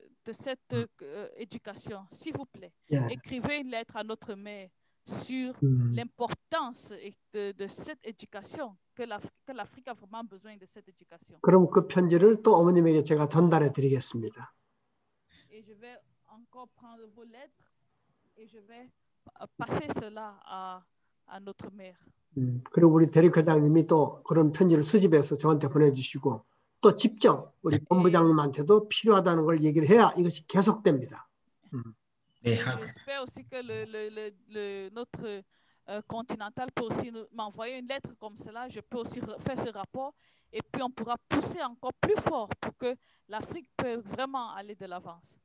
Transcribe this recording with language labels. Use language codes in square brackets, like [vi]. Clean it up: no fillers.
[fr] de cette éducation, s'il vous plaît. Yeah. Écrivez une lettre à notre mère sur l'importance de cette éducation, que l'Afrique a vraiment besoin de cette éducation. [ko] 그럼 그 편지를 또 어머님에게 제가 전달해 드리겠습니다. [fr] Et je vais encore prendre vos lettres et je vais passer cela à notre mère. [ko] 그리고 우리 대리회장님이 또 그런 편지를 수집해서 저한테 보내주시고 또 직접 우리 본부장님한테도 필요하다는 걸 얘기를 해야 이것이 계속됩니다. 네. [fr] J'espère aussi que le notre continental peut aussi m'envoyer une lettre comme cela. Je peux aussi faire ce rapport et puis on pourra pousser encore plus fort pour que l'Afrique peut vraiment aller de l'avance.